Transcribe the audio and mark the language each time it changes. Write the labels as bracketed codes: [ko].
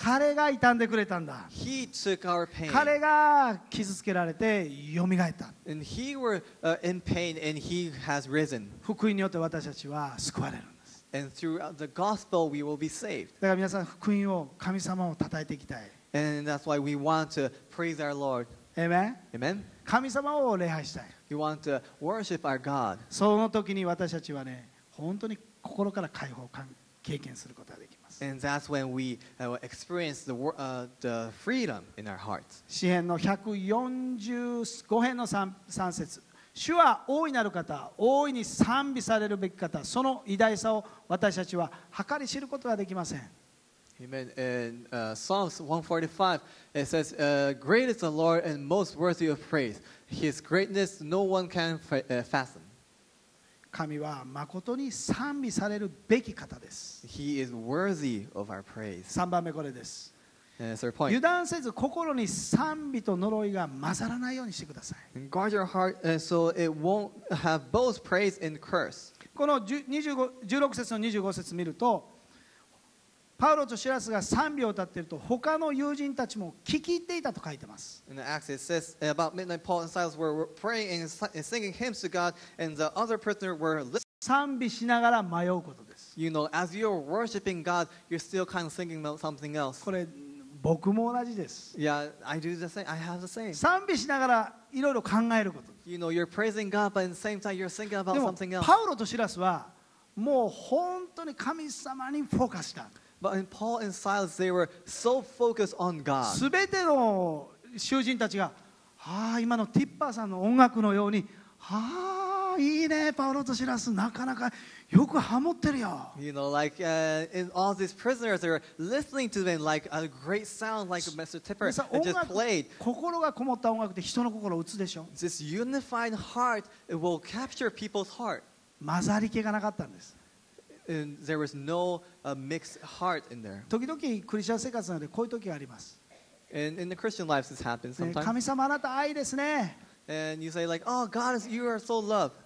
[ja] 彼が痛んでくれたんだ。 [en] He took our pain. [ja] 彼が傷つけられて蘇った。 [en] And he were in pain and he has risen. [ja] 福音によって私たちは救われる。 [en] And through the gospel, we will be saved. [ja] だから皆さん福音を神様を讃えていきたい。 [en] And that's why we want to praise our Lord. Amen. Amen. [ja] 神様を礼拝したい。 [en] We want to worship our God. [ja] その時に私たちはね、本当に心から解放を経験することができます。 [en] And that's when we experience the freedom in our hearts. [ja] 詩編の145編の 3節。主は大いなる方、大いに賛美されるべき方、その偉大さを私たちは計り知ることができません。 [en] Amen. In Psalms 145, it says, Great is the Lord and most worthy of praise. His greatness no one can fathom. [ja] 神は誠に賛美されるべき方です。 [en] He is worthy of our praise. [ja] 3番目これです。 [en] Third point. [ja] 油断せず心に賛美と呪いが混ざらないようにしてください。 [en] Guard your heart, so it won't have both praise and curse. [ja] この16節の25節見ると、パウロとシラスが賛美を歌っていると他の友人たちも聞き入っていたと書いてます。 [en] In the Acts, it says about midnight, Paul and Silas were praying and singing hymns to God, and the other prisoners were listening. [ja] 賛美しながら迷うことです。 [en] You know, as you're worshiping God, you're still kind of thinking about something else. [ja] これ僕も同じです。 [en] Yeah, I do the same. I have the same. [ja] 賛美しながらいろいろ考えること。 [en] You know, you're praising God, but at the same time, you're thinking about something else. [ja] でもパウロとシラスはもう本当に神様にフォーカスした。 [en] But in Paul and Silas, they were so focused on God. [ja] 全ての囚人たちが、ああ今のティッパーさんの音楽のように、ああいいねパウロとシラスなかなかよくハモってるよ。 [en] You know, like in all these prisoners, they were listening to them like a great sound, like Mr. Tipper and just played. [ja] 心がこもった音楽で人の心を打つでしょ。 [en] This unified heart will capture people's heart. [ja] 混ざり気がなかったんです。 [en] And there was no mixed heart in there. [ja] 時々クリスチャン生活なのでこういう時があります。 [en] And in the Christian lives, this happens sometimes. [ja] 神様あなた愛ですね。 [en] And you say like, oh God, you are so love.